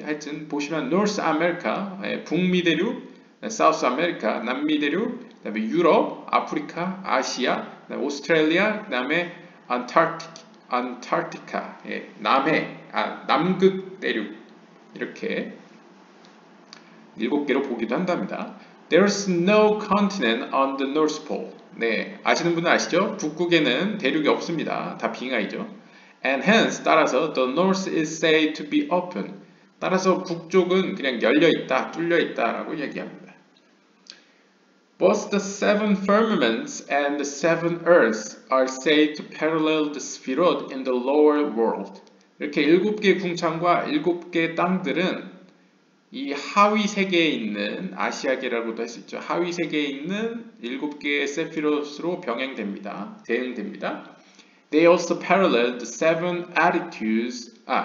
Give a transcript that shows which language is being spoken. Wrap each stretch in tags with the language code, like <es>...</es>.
<ko>하여튼 보시면 North America, 북미 대륙, South America, 남미 대륙, 그다음에 유럽, 아프리카, 아시아, 그다음에 오스트레일리아, 그다음에 안탈티카, 남극 대륙 이렇게 7개로 보기도 한답니다.</ko> <en>There's no continent on the North Pole.</en> <ko>네, 아시는 분은 아시죠? 북극에는 대륙이 없습니다. 다 빙하이죠.</ko> <en>And hence,</en> <ko>따라서</ko> <en>the north is said to be open.</en> <ko>따라서 북쪽은 그냥 열려있다, 뚫려있다 라고 얘기합니다.</ko> <en>Both the seven firmaments and the seven earths are said to parallel the spherot in the lower world.</en> <ko>이렇게 일곱 개의 궁창과 일곱 개의 땅들은 이 하위 세계에 있는 아시아계라고도 할 수 있죠. 하위 세계에 있는 일곱 개의 세피롯으로 병행됩니다. 대응됩니다.</ko> <en>They also parallel the seven attitudes.</en>